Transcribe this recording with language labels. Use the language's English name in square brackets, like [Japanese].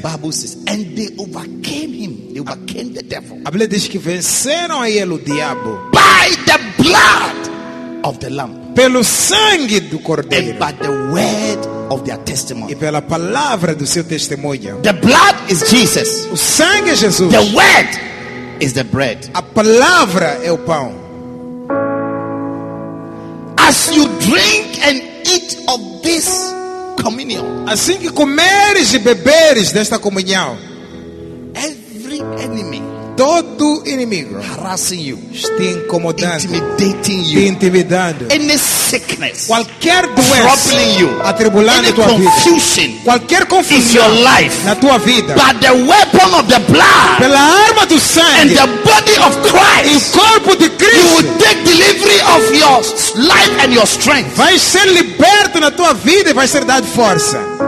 [English] the Bible says, and they overcame him, they overcame the devil. [Portuguese] A Bíblia diz que venceram a ele o diabo. [English] By the blood of the lamb. [Portuguese] Pelo sangue do cordeiro. [English] And by the word of their testimony. [Portuguese] E pela palavra do seu testemunho. [English] The blood is Jesus. [Portuguese] O sangue é Jesus. [English] The word is the bread. [Portuguese] A palavra é o pão. [English] As you drink and eat of this communion. [Portuguese] Assim que comeres e beberes desta comunhão. [English] Every enemy. [Portuguese] Todo inimigo [English] harassing you, [Portuguese] te incomodando, [English] intimidating you, [Portuguese] te intimidando, [English] any sickness, [Portuguese] qualquer doença, [English] troubling you, [Portuguese] atribulando [English] any [Portuguese] tua [English] confusion, [Portuguese] vida, qualquer confusão [English] in your life, [Portuguese] na tua vida, [English] by the weapon of the blood, [Portuguese] pela arma do sangue, [English] and the body of Christ, [Portuguese] e o corpo de Cristo, [English] you will take delivery of your life and your strength. [Portuguese] Vai ser liberto na tua vida e vai ser dado força.